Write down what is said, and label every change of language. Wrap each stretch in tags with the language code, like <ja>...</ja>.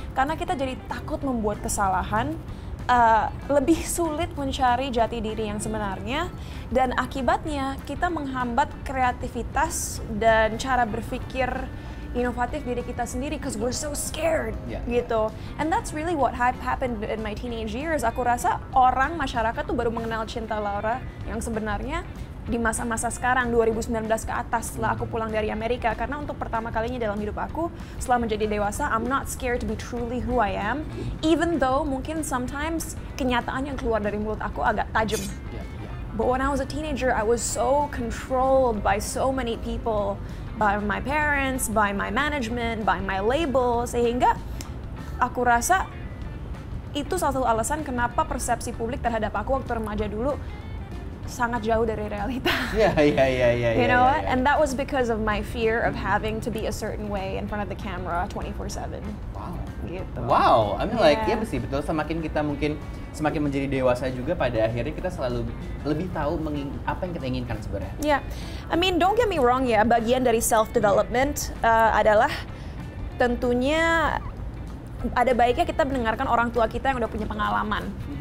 <id>Karena kita jadi takut membuat kesalahan, lebih sulit mencari jati diri yang sebenarnya, dan akibatnya kita menghambat kreativitas dan cara berpikir inovatif diri kita sendiri,</id> <en>because we're so scared,</en> <id>gitu.</id> <en>And that's really what happened in my teenage years.</en> <id>Aku rasa orang, masyarakat tuh baru mengenal cinta Laura yang sebenarnya di masa-masa sekarang, 2019 ke atas, setelah aku pulang dari Amerika. Karena untuk pertama kalinya dalam hidup aku, setelah menjadi dewasa,</id> <en>I'm not scared to be truly who I am, even though</en> <id>mungkin sometimes kenyataan yang keluar dari mulut aku agak tajam.</id> <en>But when I was a teenager, I was so controlled by so many people, by my parents, by my management, by my label,</en> <id>sehingga aku rasa itu salah satu alasan kenapa persepsi publik terhadap aku waktu remaja dulu sangat jauh dari realita.</id> <en>You know what? And that was because of my fear of having to be a certain way in front of the camera 24/7. Wow. I mean like,</en> <id>ya sih, betul. Semakin kita mungkin semakin menjadi dewasa juga, pada akhirnya kita selalu lebih tahu apa yang kita inginkan sebenarnya. Yeah.</id> <en>I mean, don't get me wrong</en> <id>ya, bagian dari self-development adalah tentunya ada baiknya kita mendengarkan orang tua kita yang udah punya pengalaman.</id>